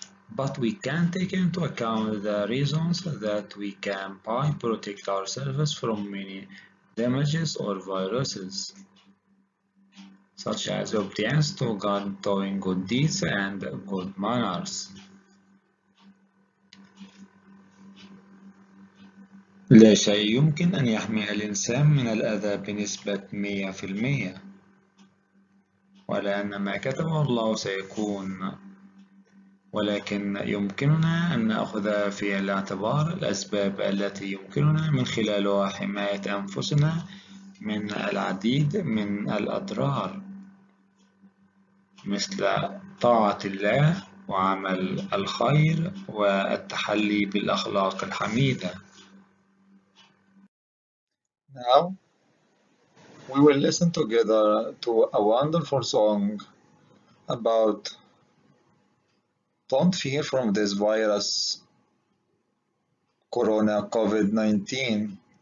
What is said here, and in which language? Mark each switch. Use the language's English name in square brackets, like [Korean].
[English] But we can take into account the reasons that we can by protect ourselves from many damages or viruses, such as obedience to God, doing good deeds and good manners. [Arabic] لا شيء يمكن أن يحمي الإنسان من الأذى بنسبة 100%. ولأن ما كتبه الله سيكون. ولكن يمكننا أن نأخذ في الاعتبار الأسباب التي يمكننا من خلالها حماية أنفسنا من العديد من الأضرار، مثل طاعة الله وعمل الخير والتحلي بالأخلاق الحميدة. [English] Now we will listen together to a wonderful song about don't fear from this virus, Corona, COVID-19.